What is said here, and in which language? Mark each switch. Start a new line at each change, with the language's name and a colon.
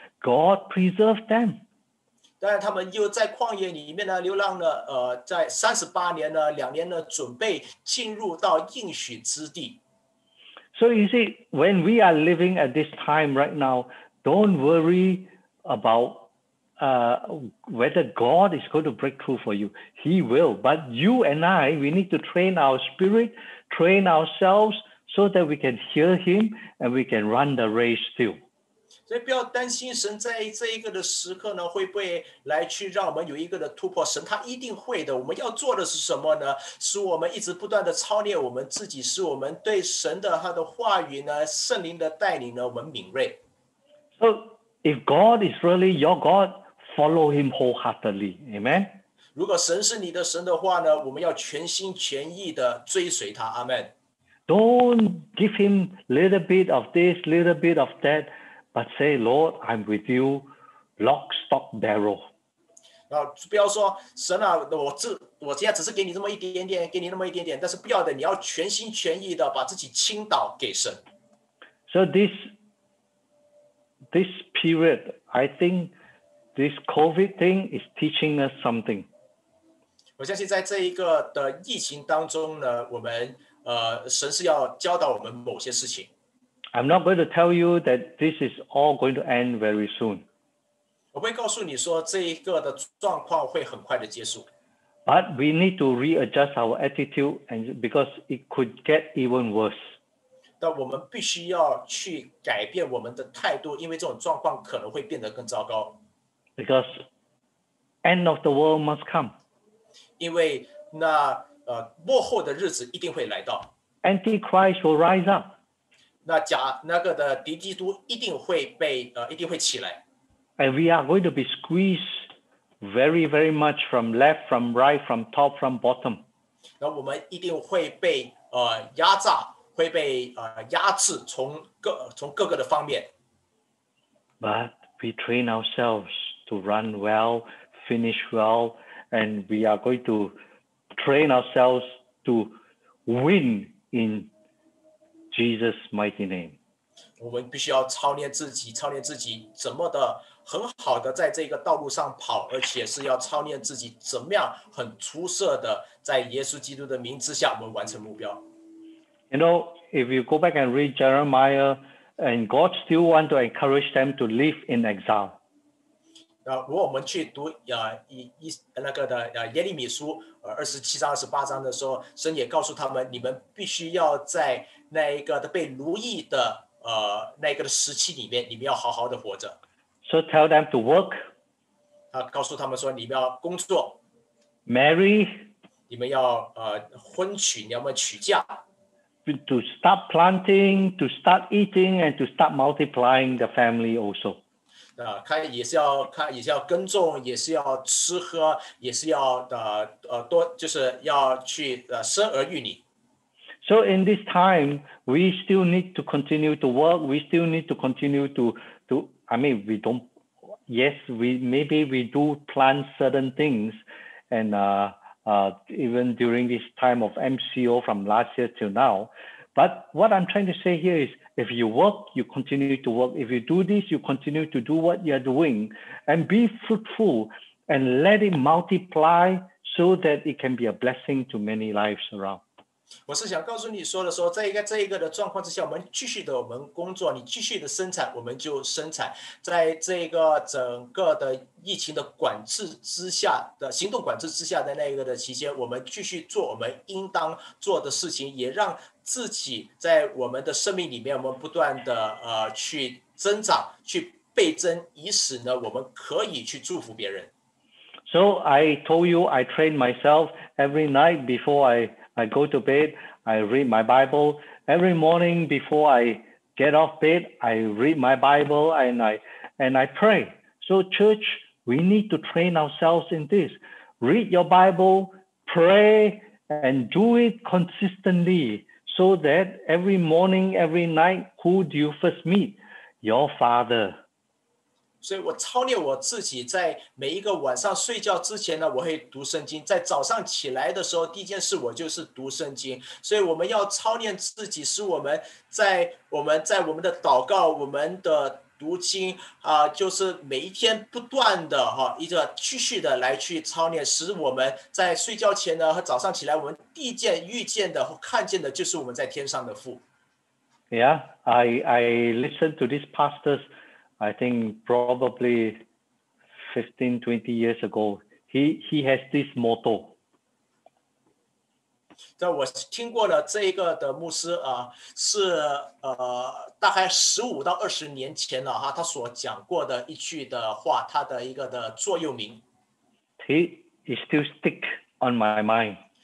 English: God preserved them.
Chinese: 但他们又在旷野里面呢流浪了在38年呢两年呢准备进入到应许之地。
English: So, you see, when we are living at this time right now, don't worry about whether God is going to break through for you. He will. But you and I, we need to train our spirit, train ourselves so that we can hear him and we can run the race still.
Chinese: 所以不要担心神在这一个的时刻呢会不会来去让我们有一个的突破。神他一定会的。我们要做的是什么呢？使我们一直不断的操练我们自己，使我们对神的他的话语呢，圣灵的带领呢，我们敏锐。
English: So,If God is really your God, follow him wholeheartedly. Amen.
Chinese: 如果神是你的神的话呢，我们要全心全意的追随他。
English: Amen. Don't give him little bit of this, little bit of that, but say, Lord, I'm with you, lock, stock, barrel.
Chinese: 不要说神啊，我现在只是给你这么一点点，给你那么一点点，但是不要的，你要全心全意的把自己倾倒给神。
English: So this period, I think this COVID thing is teaching us something.
Chinese: 我相信在这一个的疫情当中呢，我们神是要教导我们某些事情。
English: I'm not going to tell you that this is all going to end very soon.
Chinese: 我不会告诉你说这一个的状况会很快的结束。
English: But we need to readjust our attitude, and because it could get even worse.
Chinese: 但我们必须要去改变我们的态度，因为这种状况可能会变得更糟糕。
English: Because end of the world must come.
Chinese: 因为那末后的日子一定会来到。
English: Antichrist will rise up.
Chinese: 那个的敌基督一定会被一定会起来。
English: And we are going to be squeezed very, very much from left, from right, from top, from bottom.
Chinese: 那我们一定会被压榨。会被压制从各个的方面。
English: But we train ourselves to run well, finish well, and we are going to train ourselves to win in Jesus' mighty name.
Chinese: 我们必须要操练自己，怎么的很好的在这个道路上跑，而且是要操练自己怎么样很出色的在耶稣基督的名之下我们完成目标。
English: You know, if you go back and read Jeremiah, and God still want to encourage them to live in exile.
Chinese: 如果我们去读那个的耶利米书27章28章的时候，神也告诉他们，你们必须要在那一个的被奴役的那个的时期里面，你们要好好的活着。
English: So tell them to work.
Chinese: 告诉他们说你们要工作。
English: Marry.
Chinese: 你们要婚娶，你们娶嫁。
English: To start planting, to start eating, and to start multiplying the family also.
Chinese: 也是要耕种，也是要吃喝，也是要多，就是要去生儿育女。
English: So in this time, we still need to continue to work. We still need to continue to we don't, yes, we do plan certain things. And even during this time of MCO from last year till now. But what I'm trying to say here is, if you work, you continue to work. If you do this, you continue to do what you're doing and be fruitful and let it multiply so that it can be a blessing to many lives around.
Chinese: 我是想告诉你说的说，在这一个的状况之下，我们继续的我们工作，你继续的生产，我们就生产。在这个整个的疫情的管制之下的行动管制之下的那个的期间，我们继续做我们应当做的事情，也让自己在我们的生命里面，我们不断的去增长，去倍增，以使呢我们可以去祝福别人。
English: So I told you I train myself every night before I go to bed, I read my Bible. Every morning before I get off bed, I read my Bible and I pray. So church, we need to train ourselves in this. Read your Bible, pray, and do it consistently so that every morning, every night, who do you first meet? Your Father.
Chinese: 所以我操练我自己，在每一个晚上睡觉之前呢，我会读圣经。在早上起来的时候，第一件事我就是读圣经。所以我们要操练自己，使我们在我们的祷告、我们的读经就是每一天不断的一个继续的来去操练，使我们在睡觉前呢和早上起来，我们第一件遇见的、看见的就是我们在天上的父。
English: Yeah, I listen to these pastors. I think probably 15, 20 years ago, he has this motto.
Chinese: 在我听过了这一个的牧师是大概15到20年前了他所讲过的一句的话，他的一个的座右铭。
English: He still stick on my mind.